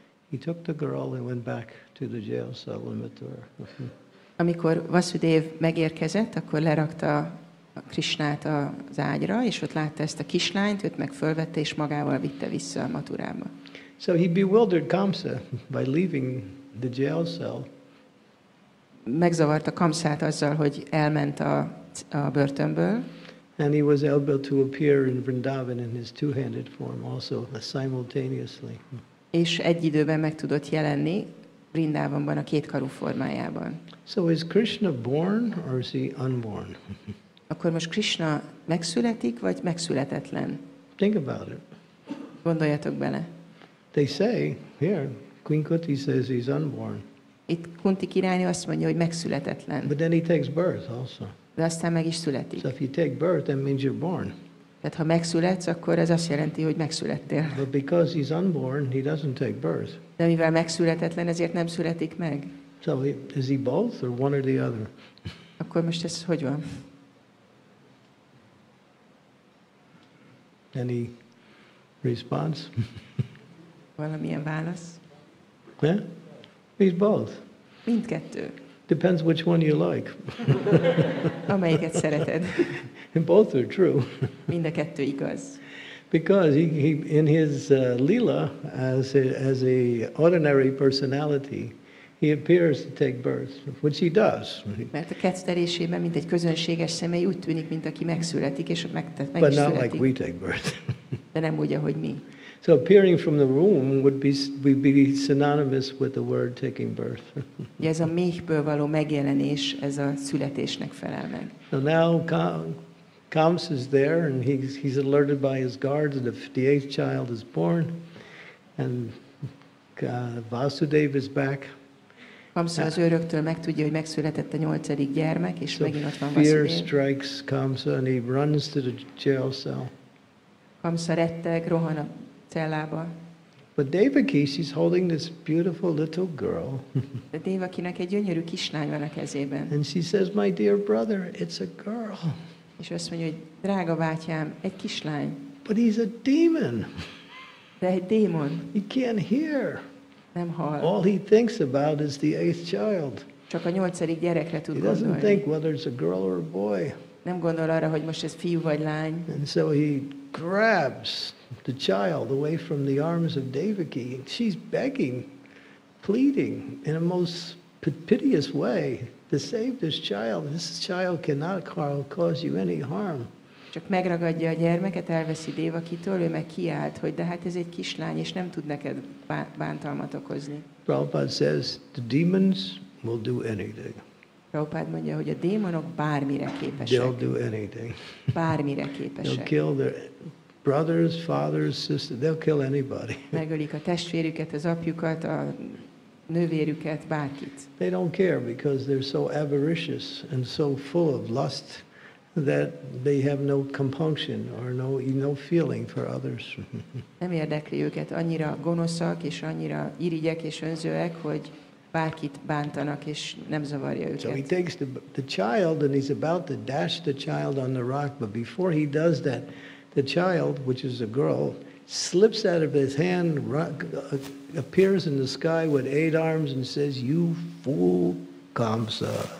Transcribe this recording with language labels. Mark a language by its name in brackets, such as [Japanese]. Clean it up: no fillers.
[English] He took the girl and went back to the jail cell and met her. [Hungarian] Amikor Vasudev megérkezett, akkor lerakta Krishnát az ágyra, és ott látta ezt a kislányt, őt meg fölvette, és magával vitte vissza a Mathurába. [English] So he bewildered Kamsa by leaving the jail cell. [Hungarian] Megzavarta Kamsát azzal, hogy elment a börtönből. [English] And he was able to appear in Vrindavan in his two-handed form also simultaneously. [Hungarian] És egy időben meg tudott jelenni Vrindavanban a két karú formájában. [English] So is Krishna born or is he unborn? [Hungarian] Akkor most Krishna megszületik vagy megszületetlen? [English] Think about it. [Hungarian] Gondoljatok bele. [English] They say here, Queen Kunti says he's unborn. [Hungarian] Itt Kunti királynő azt mondja, hogy megszületetlen. [English] But then he takes birth also. [Hungarian] De aztán meg is születik. [English] So if you take birth, that means you're born. [Hungarian] Tehát ha megszületsz, akkor ez azt jelenti, hogy megszülettél. [English] But because he's unborn, he doesn't take birth. [Hungarian] De mivel megszületetlen, ezért nem születik meg. [English] So is he both or one or the other? [Hungarian] Akkor most ez hogy van? [English] Any response? [Hungarian] Valamilyen válasz? [English] Yeah? He's both. [Hungarian] Mindkettő. [English] Depends which one you like. [Hungarian] Amelyiket szereted. [English] And both are true. [Hungarian] Mind a kettő igaz. [English] Because he in his lila, as a ordinary personality, he appears to take birth, which he does. [Hungarian] Mert a kettelésében, mint egy közönséges személy, úgy tűnik, mint aki megszületik, és megtett, meg is születik. [English] But not like we take birth. [Hungarian] De nem úgy, ahogy mi. [English] So appearing from the womb would be synonymous with the word taking birth. [Hungarian] Ez a méhből való megjelenés, ez a születésnek felel meg. [English] So now Kams is there and he's alerted by his guards that the eighth child is born and Vasudev is back. [Hungarian] Kams az őröktől megtudja, hogy megszületett a nyolcadik gyermek, és [English] so [Hungarian] megint ott van [English] Vasudev. Fear strikes Kams and he runs to the jail cell. [Hungarian] Kams retteg, rohan a cellába. [English] But Devaki, she's holding this beautiful little girl. [Hungarian] De Devakinek egy gyönyörű kislány van a kezében. [English] And she says, "My dear brother, it's a girl." [Hungarian] És azt mondja, hogy drága bátyám, egy kislány. [English] But he's a demon. [Hungarian] De egy démon. [English] He can't hear. [Hungarian] Nem hall. [English] All he thinks about is the eighth child. [Hungarian] Csak a nyolcadik gyerekre tud gondolni. [English] He doesn't think whether it's a girl or a boy. [Hungarian] Nem gondol arra, hogy most ez fiú vagy lány. [English] And so he grabs the child away from the arms of Devaki. She's begging, pleading in a most piteous way. To save this child cannot cause you any harm. [Hungarian] Csak megragadja a gyermeket, elveszi Devakitől, ő meg kiált, hogy de hát ez egy kislány, és nem tud neked bántalmat okozni. [English] Prabhupada says, the demons will do anything. [Hungarian] Prabhupada mondja, hogy a démonok bármire képesek. [English] They'll do anything. [Hungarian] Bármire képesek. [English] They'll kill their brothers, fathers, sisters, they'll kill anybody. [Hungarian] Megölik a testvérüket, az apjukat, a nővérüket, bárkit. [English] They don't care because they're so avaricious and so full of lust that they have no compunction or no feeling for others. [Hungarian] Nem érdekli őket, annyira gonoszak és annyira irigyek és önzőek, hogy bárkit bántanak és nem zavarja őket. [English] So he takes the child and he's about to dash the child on the rock, but before he does that, the child, which is a girl, slips out of his hand, appears in the sky with eight arms and says, "You fool, Kamsa."